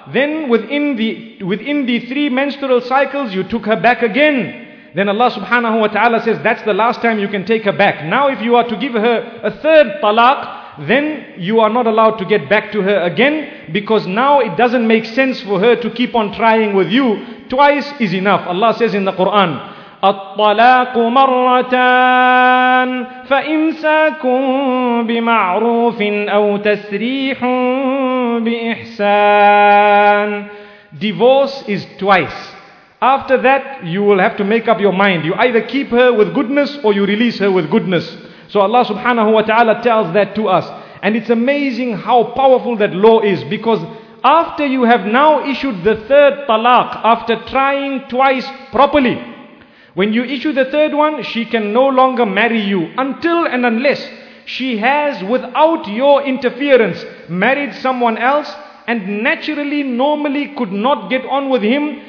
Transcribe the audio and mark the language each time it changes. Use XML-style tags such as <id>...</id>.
<en>Then within the three menstrual cycles, you took her back again. Then Allah subhanahu wa ta'ala says, that's the last time you can take her back. Now if you are to give her a third talaq, then you are not allowed to get back to her again, because now it doesn't make sense for her to keep on trying with you. Twice is enough. Allah says in the Quran,</en> <ar>الطلاق مرتان فإمساك بمعروف أو تسريح بإحسان.</ar> <en>Divorce is twice. After that, you will have to make up your mind. You either keep her with goodness or you release her with goodness. So Allah subhanahu wa ta'ala tells that to us. And it's amazing how powerful that law is, because after you have now issued the third talaq, after trying twice properly, when you issue the third one, she can no longer marry you until and unless she has, without your interference, married someone else and naturally, normally could not get on with him.</en>